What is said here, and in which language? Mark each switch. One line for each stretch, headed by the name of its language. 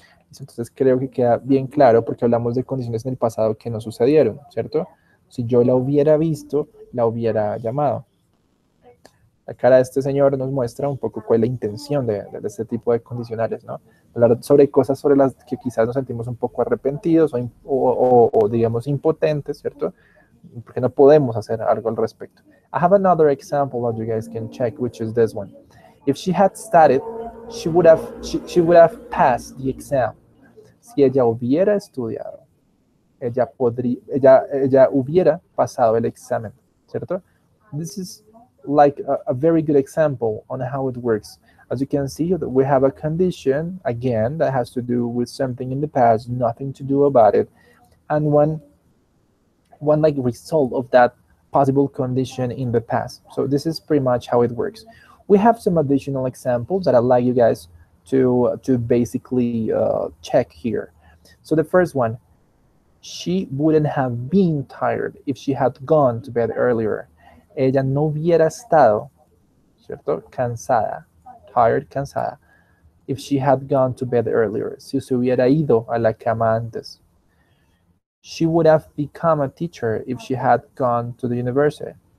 Spanish: Entonces creo que queda bien claro porque hablamos de condiciones en el pasado que no sucedieron, ¿cierto? Si yo la hubiera visto, la hubiera llamado. cara de este señor nos muestra un poco cuál es la intención de este tipo de condicionales, ¿no? Hablar sobre cosas sobre las que quizás nos sentimos un poco arrepentidos o digamos impotentes, ¿cierto? Porque no podemos hacer algo al respecto.
English: I have another example that you guys can check, which is this one. If she had studied, she would have passed the exam.
Spanish: Si ella hubiera estudiado, ella hubiera pasado el examen, ¿cierto?
English: This is like a very good example on how it works. As you can see, we have a condition, again, that has to do with something in the past, nothing to do about it. And one like result of that possible condition in the past. So this is pretty much how it works. We have some additional examples that I'd like you guys to basically check here. So the first one, she wouldn't have been tired if she had gone to bed earlier.
Spanish: Ella no hubiera estado, ¿cierto? Cansada, tired, cansada, if she had gone to bed earlier. Si se hubiera ido a la cama antes.
English: She would have become a teacher if she had gone to the university.